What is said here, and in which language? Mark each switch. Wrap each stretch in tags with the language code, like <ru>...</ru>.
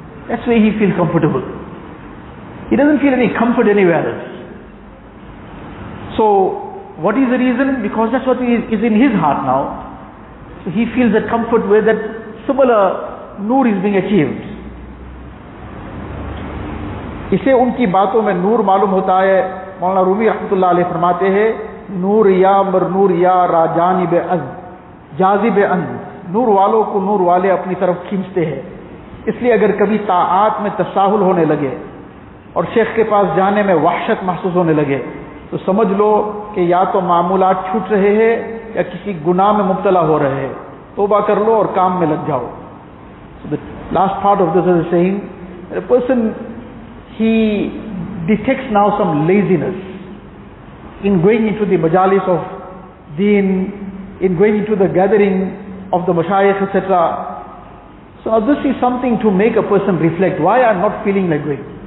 <en>That's where he feels comfortable. He doesn't feel any comfort anywhere else. So, what is the reason? Because that's what is in his heart now. So he feels that comfort where that similar noor is being achieved.</en> <ur>اسے ان کی باتوں میں نور معلوم ہوتا ہے. مولانا رومی رحمت اللہ علیہ فرماتے ہیں, نور یا مر نور یا را جانب ان جازب ان, نور والوں کو نور والے اپنی طرف کھینچتے ہیں. اس لیے اگر کبھی طاعات میں تساہل ہونے لگے اور شیخ کے پاس جانے میں وحشت محسوس ہونے لگے تو سمجھ لو کہ یا تو معمولات چھوٹ رہے ہیں یا کسی گناہ میں مبتلا ہو رہے ہیں. توبہ کر لو اور کام میں لگ جاؤ.</ur> <en>So the last part of this is saying, a person, he detects now some laziness in going into the majalis of deen, in going into the gathering of the mashayikh, etc. So now this is something to make a person reflect, why I'm not feeling like going.</en>